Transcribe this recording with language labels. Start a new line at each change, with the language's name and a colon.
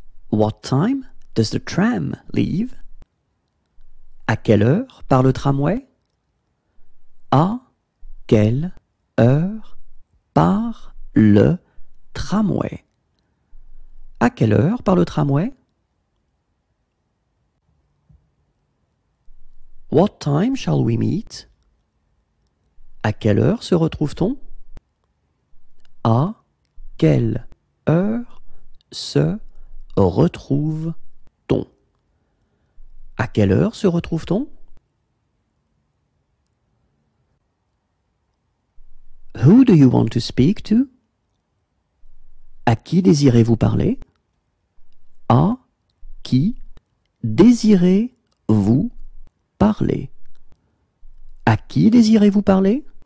English: What time does the tram leave?
French: À quelle heure part le tramway? À quelle heure part le tramway? À quelle heure part le tramway?
English: What time shall we meet?
French: À quelle heure se retrouve-t-on? À quelle heure se retrouve-t-on? À quelle heure se retrouve-t-on?
English: Who do you want to speak to?
French: À qui désirez-vous parler? À qui désirez-vous parler? À qui désirez-vous parler?